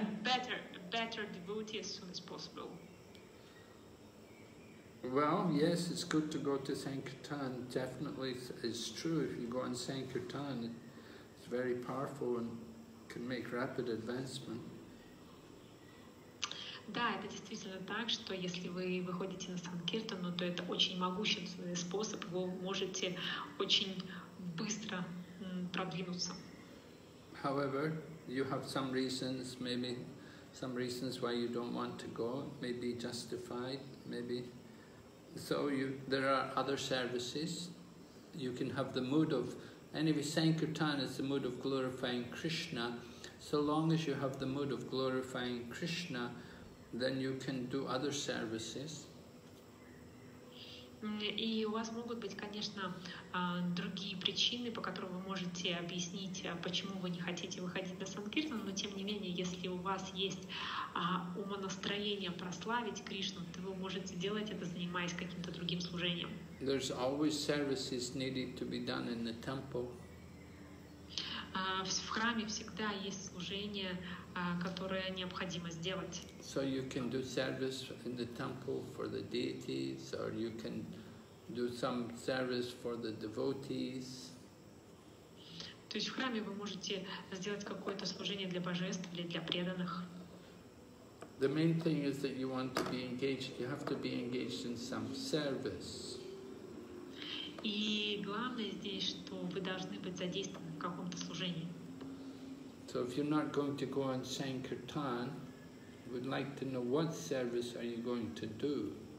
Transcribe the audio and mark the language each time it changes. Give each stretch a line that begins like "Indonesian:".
English: A better devotee as soon as possible. Well, yes, it's good to go to Sankirtan. Definitely, it's true. If you go on Sankirtan, it's very powerful and can make rapid advancement.
Russian: Да, это действительно так, что если вы выходите на Санкиртану, то это очень могущественный способ, вы можете очень быстро продвинуться.
English: However, you have some reasons, maybe some reasons why you don't want to go, maybe justified, maybe. So you, there are other services. You can have the mood of, anyway, Sankirtan is the mood of glorifying Krishna. So long as you have the mood of glorifying Krishna, then you can do other services.
Russian: И у вас могут быть, конечно, другие причины, по которым вы можете объяснить, почему вы не хотите выходить на Санкиртан, но тем не менее, если у вас есть умонастроение прославить Кришну, то вы можете делать это, занимаясь каким-то другим служением.
English: There's always services needed to be done in the temple.
Russian: В храме всегда есть служение, которое необходимо сделать.
English: So you can do service in the temple for the deities, or you can do some service for the devotees.
Russian: То есть в храме вы можете сделать какое-то служение для божеств или для преданных.
English: The main thing is that you want to be engaged, you have to be engaged in some service.
Russian: И главное здесь, что вы должны быть задействованы в каком-то служении.
English: So if you're not going to go on Sankirtan, we'd like to know what service are you going to do.